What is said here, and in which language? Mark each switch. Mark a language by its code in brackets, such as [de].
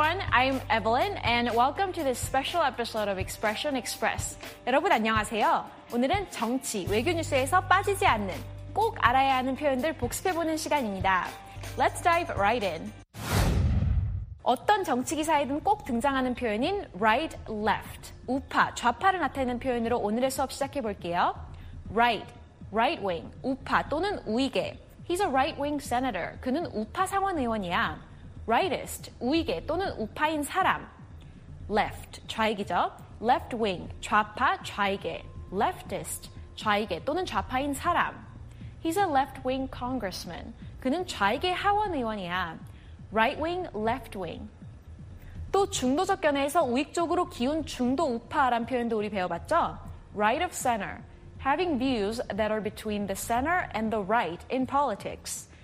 [en] I'm Evelyn, and welcome to this special episode of Expression Express. [ko] 여러분 안녕하세요. 오늘은 정치, 외교 뉴스에서 빠지지 않는 꼭 알아야 하는 표현들 복습해보는 시간입니다. [en] Let's dive right in. [ko] 어떤 정치 기사에든 꼭 등장하는 표현인 right, left, 우파, 좌파를 나타내는 표현으로 오늘의 수업 시작해볼게요. [en] Right, right wing, [ko] 우파 또는 우익에. [en] He's a right-wing senator. [ko] 그는 우파 상원 의원이야. Rightist, 우익에 또는 우파인 사람. Left, 좌익이죠. Left-wing, 좌파, 좌익에. Leftist, 좌익에 또는 좌파인 사람. [en] He's a left-wing congressman. [ko] 그는 좌익의 하원 의원이야. [en] Right-wing, left-wing. [ko] 또 중도적 견해에서 우익 쪽으로 기운 중도 우파란 표현도 우리 배워봤죠? [en] Right of center. Having views that are between the center and the right in politics.